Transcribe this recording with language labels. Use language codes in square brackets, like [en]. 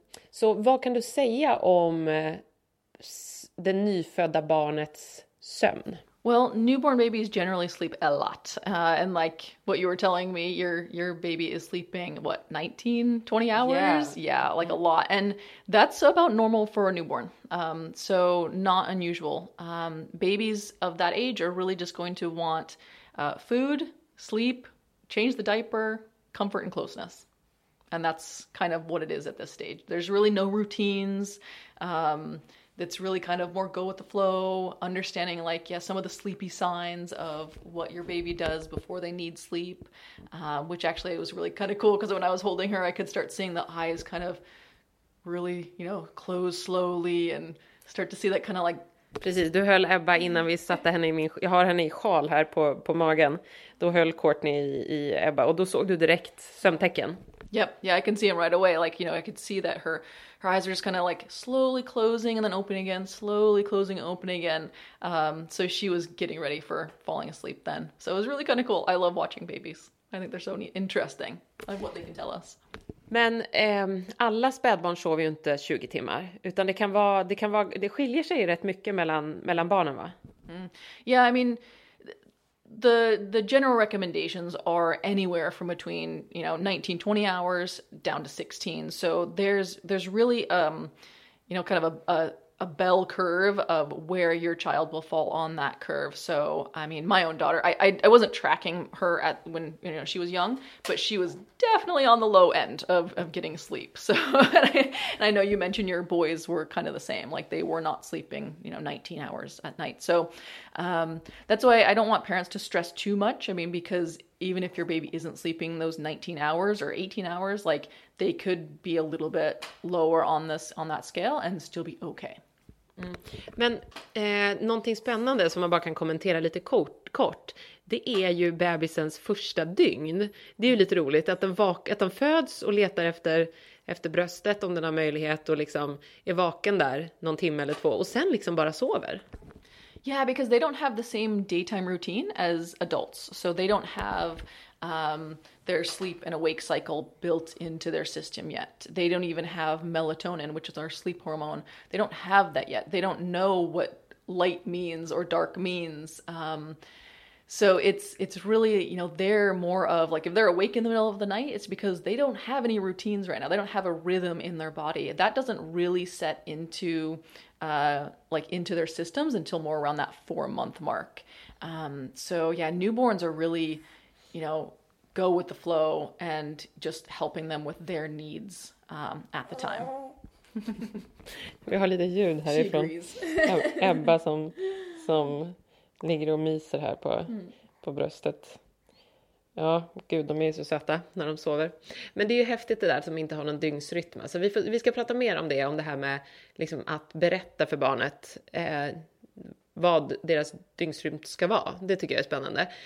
[sv] Så vad kan du säga om det nyfödda barnets sömn? [en] Well, newborn babies generally sleep a lot. And like what you were telling me, your baby is sleeping, what, 19, 20 hours? Yeah, like a lot. And that's about normal for a newborn. So not unusual. Babies of that age are really just going to want food, sleep, change the diaper, comfort and closeness. And that's kind of what it is at this stage. There's really no routines. That's really kind of more go with the flow, understanding like, yeah, some of the sleepy signs of what your baby does before they need sleep, which actually it was really kind of cool because when I was holding her, I could start seeing the eyes kind of really, you know, close slowly and start to see that kind of like... [sv] Precis, du höll Ebba innan vi satte henne i min... Jag har henne i sjal här på magen. Då höll Courtney i Ebba och då såg du direkt sömntecken. [en] Yep. Yeah, I can see him right away. Like, you know, I could see that her eyes are just kind of like slowly closing and then opening again, slowly closing and opening again. So she was getting ready for falling asleep then. So it was really kind of cool. I love watching babies. I think they're so interesting of what they can tell us. [sv] Men alla spädbarn sover ju inte 20 timmar, utan det kan vara det skiljer sig rätt mycket mellan barnen, va? Mm. [en] Yeah, I mean the general recommendations are anywhere from between, you know, 19-20 hours down to 16. So there's really you know, kind of a bell curve of where your child will fall on that curve. So, I mean, my own daughter, I wasn't tracking her at when, you know, she was young, but she was definitely on the low end of getting sleep. So, and I know you mentioned your boys were kind of the same, like they were not sleeping, you know, 19 hours at night. So, that's why I don't want parents to stress too much. I mean, because even if your baby isn't sleeping those 19 hours or 18 hours, like they could be a little bit lower on that scale and still be okay. Mm. [sv] Men någonting spännande som man bara kan kommentera lite kort, det är ju bebisens första dygn. Det är ju lite roligt att den föds och letar efter bröstet om den har möjlighet och liksom är vaken där någon timme eller två och sen liksom bara sover. [en] Yeah, because they don't have the same daytime routine as adults. So they don't have their sleep and awake cycle built into their system yet. They don't even have melatonin, which is our sleep hormone. They don't have that yet. They don't know what light means or dark means. So it's really, you know, they're more of like, if they're awake in the middle of the night, it's because they don't have any routines right now. They don't have a rhythm in their body. That doesn't really set into their systems until more around that 4 month mark. So yeah, newborns are really, you know, go with the flow and just helping them with their needs at the time. [sv] Vi har lite ljud härifrån. Ebba som ligger och myser här på bröstet. Ja, gud, de är ju så söta när de sover. Men det är ju häftigt det där som inte har någon dygnsrytm. Så vi ska prata mer om det här med liksom att berätta för barnet vad deras dygnsrytm ska vara. Det tycker jag är spännande.